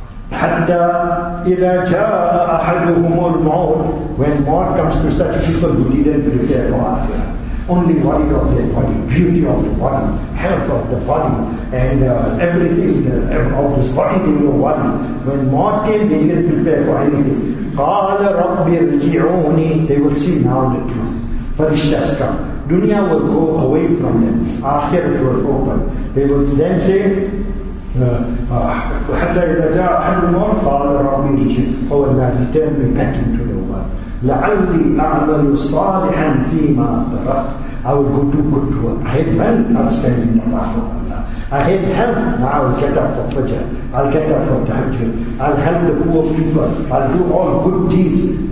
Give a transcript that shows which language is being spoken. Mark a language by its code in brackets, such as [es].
[ar] Hatta ila jaa ahaduhumul maut, [en] when Maud comes to such people who didn't prepare for Akhira, only worry of their body, beauty of the body, health of the body, and everything of this body in your body. When Maud came, they didn't prepare for anything. [ar] Qala rabbi rji'uni, [en] they will see now the truth. Farishtas come. Dunya will go away from them. Akhirah will open. They will then say, [ar] حَتَّى إِذَا جَاءَ أَحَدُهُمُ قَالَ رَبِّ ارْجِعُونِ. [en] Oh Allah, return me back into the world. [ar] لَعَلِّي أَعْمَلُ صَالِحًا فِي مَا تَرَكْتُ. [en] I will go do good to work. I had wealth, I'll spend in the path of Allah. I had health, now I'll get up for Fajr. I'll get up for Tahajjud. I'll help the poor people. I'll do all good deeds.